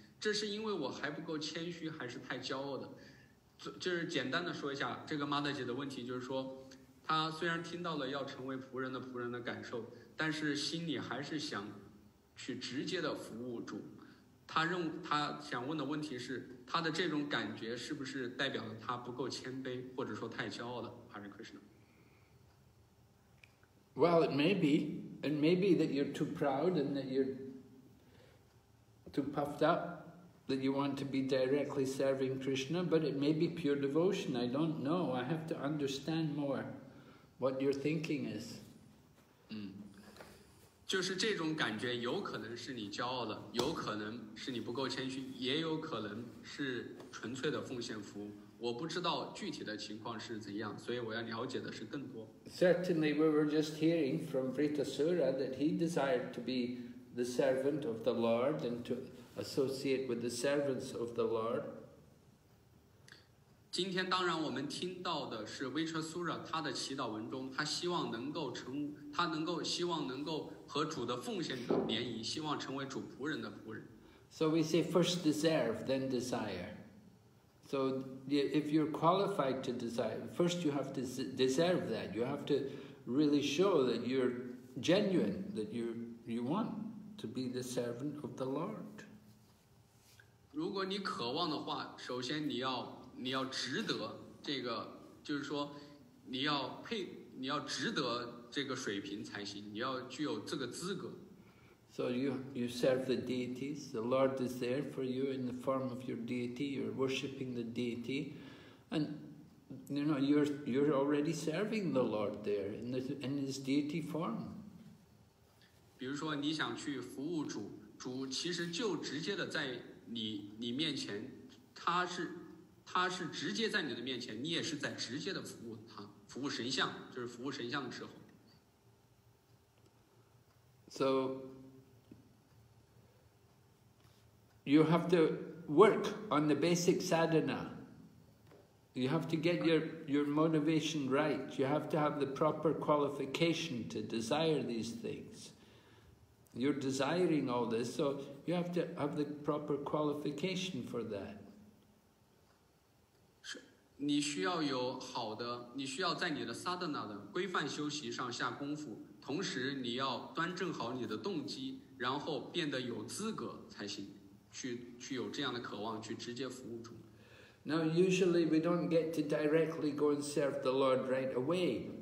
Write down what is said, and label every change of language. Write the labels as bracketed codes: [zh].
[zh] 这是因为我还不够谦虚，还是太骄傲的？就是简单的说一下这个 Mother 姐的问题，就是说，她虽然听到了要成为仆人的仆人的感受，但是心里还是想去直接的服务主。她想问的问题是，她的这种感觉是不是代表了她不够谦卑，或者说太骄傲了？还是 Krishna？ [en] Well, it may be that you're too proud and that you're too puffed up, that you want to be directly serving Krishna, but it may be pure devotion. I don't know. I have to understand more what your thinking is. [zh] 就是这种感觉有可能是你骄傲的，有可能是你不够谦虚，也有可能是纯粹的奉献服务。我不知道具体的情况是怎样，所以我要了解的是更多。 [en] Certainly, we were just hearing from Vritasura that he desired to be the servant of the Lord and to associate with the servants of the Lord. [zh] 今天当然我们听到的是 Vritasura 他的祈祷文中，他希望能够和主的奉献者联谊，希望成为主仆人的仆人。 [en] So we say first deserve, then desire. So if you're qualified to desire, first you have to deserve that. You have to really show that you're genuine, that you want to be the servant of the Lord. [zh] 如果你渴望的话，首先你要值得这个，就是说你要值得这个水平才行，你要具有这个资格。 [en] So you serve the deities. The Lord is there for you in the form of your deity. You're worshipping the deity, and you know you're already serving the Lord there in his deity form. [zh] 比如说你想去服务主，主其实就直接的在你面前，他是直接在你的面前，你也是在直接的服务他，服务神像，就是服务神像的时候。 [en] So. You have to work on the basic sadhana. You have to get your motivation right. You have to have the proper qualification to desire these things. You're desiring all this, so you have to have the proper qualification for that. [zh] 你需要有好的，你需要在你的sadhana的规范修习上下功夫，同时你要端正好你的动机，然后变得有资格才行，去有这样的渴望去直接服务主。 [en] Now usually we don't get to directly go and serve the Lord right away.